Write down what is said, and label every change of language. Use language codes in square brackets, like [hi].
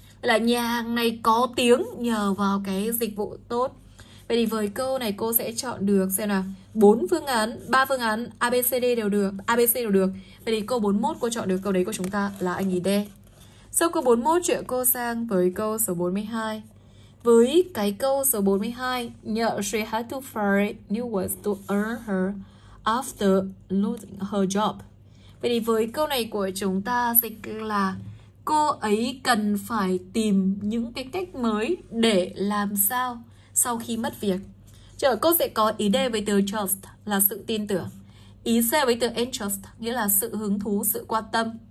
[vi] Là nhà hàng này có tiếng nhờ vào cái dịch vụ tốt. Vậy thì với câu này cô sẽ chọn được xem nào, bốn phương án, ba phương án ABCD đều được, ABC đều được. Vậy thì câu 41 cô chọn được câu đấy của chúng ta là anh ý D. Sau câu 41 chuyển cô sang với câu số 42. Với cái câu số 42, [en] she had to find new ways to earn her after losing her job. [vi] Vậy thì với câu này của chúng ta dịch là cô ấy cần phải tìm những cái cách mới để làm sao sau khi mất việc. Chờ, cô sẽ có ý D với từ trust là sự tin tưởng. Ý C với từ interest nghĩa là sự hứng thú, sự quan tâm.